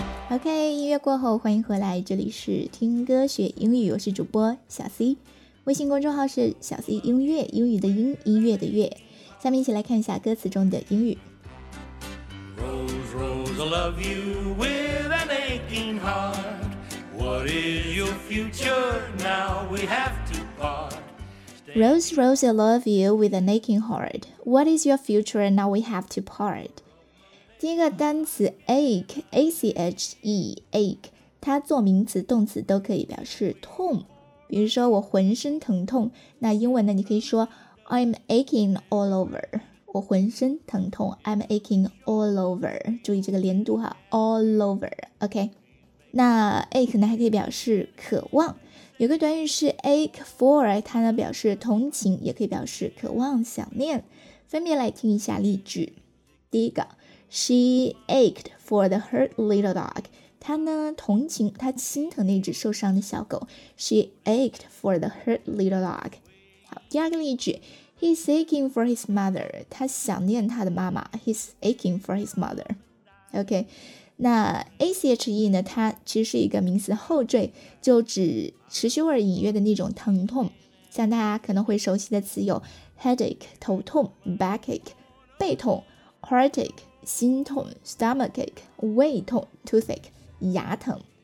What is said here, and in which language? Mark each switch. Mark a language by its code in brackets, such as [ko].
[zh] OK, 音乐过后欢迎回来，这里是听歌学英语，我是主播小 C。微信公众号是小 C 音乐，英语的音，音乐的乐。下面一起来看一下歌词中的英语。 [en] Rose, Rose, I love you with an aching heart. What is your future? Now we have to part. Rose, Rose, I love you with an aching heart. What is your future? Now we have to part. [zh] 第一个单词 ache, A-C-H-E, ache, 它做名词、动词都可以表示痛。比如说我浑身疼痛，那英文呢，你可以说 [en] I'm aching all over. [zh] 我浑身疼痛。 [en] I'm aching all over. [zh] 注意这个连读哈 ， [en] all over. OK. [zh] 那 ache 呢还可以表示渴望。有个短语是 ache for， 它呢表示同情，也可以表示渴望、想念。分别来听一下例句。第一个 ， [en] She ached for the hurt little dog. [zh] 她呢同情，她心疼那只受伤的小狗。 [en] She ached for the hurt little dog. [zh] 好，第二个例句 [en] ，He's aching for his mother. [zh] 他想念他的妈妈。 [en] He's aching for his mother. [zh] OK， 那 ache 呢？它其实是一个名词后缀，就指持续或隐约的那种疼痛。像大家可能会熟悉的词有 headache 头痛 ，backache 背痛 ，heartache 心痛 ，stomachache 胃痛 ，toothache 牙疼。